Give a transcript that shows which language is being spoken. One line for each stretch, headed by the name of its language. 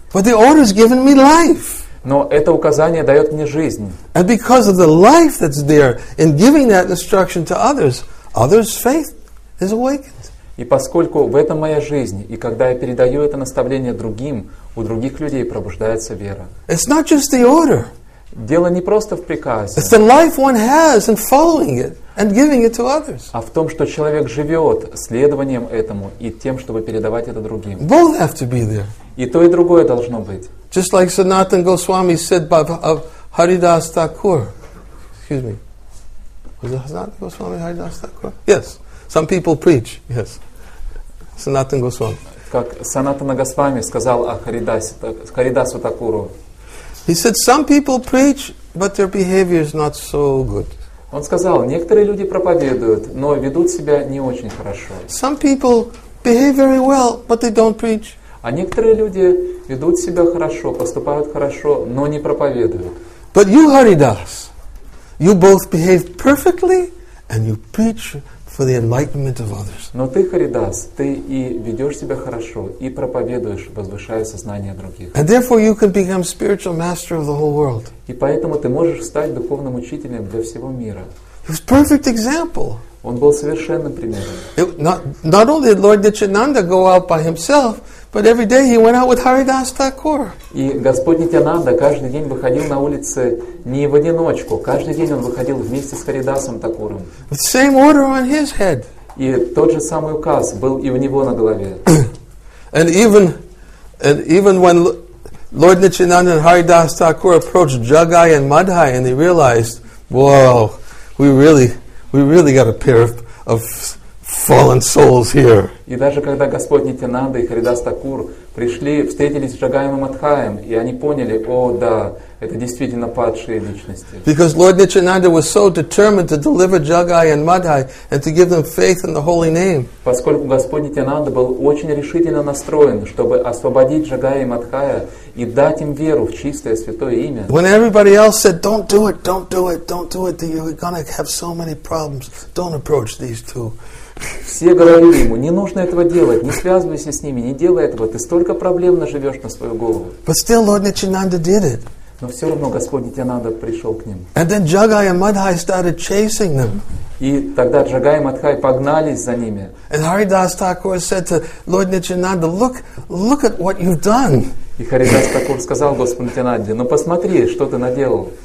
English: But the order has given me life.
Russian: Но это указание дает мне жизнь.
English: And because of the life that's there in giving that instruction to others, others' faith is awakened.
Russian: И поскольку в этом моя жизнь, и когда я передаю это наставление другим, у других людей пробуждается вера.
English: It's not just the order.
Russian: Дело не просто в приказе.
English: It's the life one has in following it and giving it to others.
Russian: А в том, что человек живет следованием этому и тем, чтобы передавать это другим.
English: Both have to be there.
Russian: И то, и другое должно быть.
English: Just like Sanatan Goswami said of Haridas Thakur. Excuse me. Was it Sanatan Goswami Haridas Thakur? Yes. Some people preach. Yes. Sanatan Goswami.
Russian: Как Санатана Госвами сказал о Харидасу Такуру.
English: He said, some people preach, but their behavior is not so good.
Russian: Он сказал, некоторые люди проповедуют, но ведут себя не очень хорошо.
English: Some people behave very well, but they don't preach.
Russian: А некоторые люди ведут себя хорошо, поступают хорошо, но не проповедуют.
English: But you, Haridas, you both behave perfectly, and you preach for the enlightenment of others.
Russian: Но ты, Харидас, ты и ведешь себя хорошо, и проповедуешь, возвышая сознание других.
English: And therefore you can become spiritual master of the whole world.
Russian: И поэтому ты можешь стать духовным учителем для всего мира.
English: He was perfect example.
Russian: Он был совершенным примером.
English: Not only did Lord Nityananda go out by himself, but every day he went out with Haridas Thakur.
Russian: И Господь Нитянанда каждый день выходил на улицы не в одиночку. Каждый день он выходил вместе с Харидасом Такуром.
English: With the same order on his head.
Russian: И тот же самый указ был и у него на голове.
English: And even when Lord Nityananda and Haridas Thakur approached Jagai and Madhai and they realized, wow, we really got a pair of fallen souls here.
Russian: И даже когда Господь Нитянанда и Харидас Такур пришли, встретились с Джагайом Адхаем, и они поняли: о, да, это действительно падшие личности.
English: Because Lord Nityananda was so determined to deliver Jagai and Madhai and to give them faith in the holy name.
Russian: Поскольку Господь Нитянанда был очень решительно настроен, чтобы освободить Джагая и Мадхая и дать им веру в чистое святое имя.
English: When everybody else said, "Don't do it, don't do it, don't do it, you're gonna have so many problems. Don't approach these two."
Russian: Все говорили ему: не нужно этого делать, не связывайся с ними, не делай этого, ты столько проблем наживешь на свою голову.
English: But still Lord Nityananda did it.
Russian: Но все равно Господь Нитянанда пришел к ним.
English: And then Jagai and Madhai started chasing them.
Russian: И тогда Джагай и Мадхай погнались за ними.
English: And Haridas Thakur said to Lord Nityananda, look at what you've done.
Russian: И Харидас Такур сказал Господу Нитянанде: ну посмотри, что ты наделал.